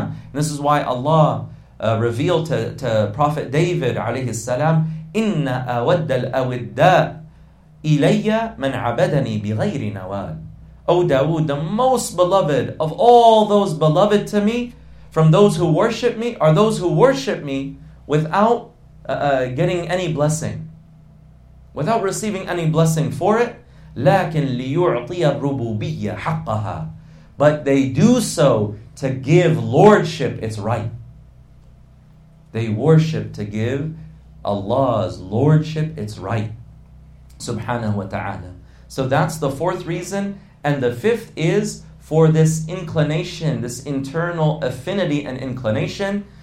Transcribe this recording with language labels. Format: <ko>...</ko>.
<en>And this is why Allah revealed to Prophet David عَلَيْهِ السَّلَامِ,</en> <ar>إِنَّ أَوَدَّ الْأَوِدَّاءِ إِلَيَّ مَنْ عَبَدَنِي بِغَيْرِ نَوَالٍ.</ar> <en>O Dawood, the most beloved of all those beloved to me, from those who worship me are those who worship me without getting any blessing, without receiving any blessing for it.</en> <ar>لكن ليعطي الربوبية حقها.</ar> <en>But they do so to give lordship its right. They worship to give Allah's lordship its right. Subhanahu wa ta'ala. So that's the fourth reason. And the fifth is for this inclination, this internal affinity and inclination.</en>